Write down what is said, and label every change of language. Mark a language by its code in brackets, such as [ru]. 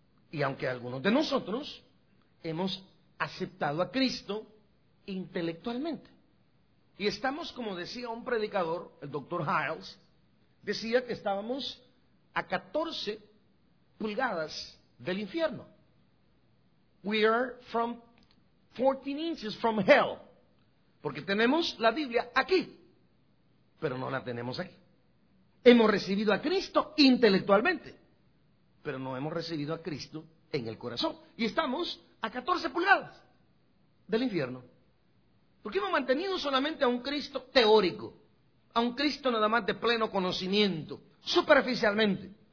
[es] Y aunque algunos de nosotros hemos aceptado a Cristo intelectualmente, y estamos, como decía un predicador, el doctor Hiles, decía que estábamos a 14 pulgadas del infierno. [en] We are from 14 inches from hell. [es] Porque tenemos la Biblia aquí, pero no la tenemos aquí. Hemos recibido a Cristo intelectualmente, pero no hemos recibido a Cristo en el corazón. Y estamos a 14 pulgadas del infierno. Porque hemos mantenido solamente a un Cristo teórico, a un Cristo nada más de pleno conocimiento, superficialmente.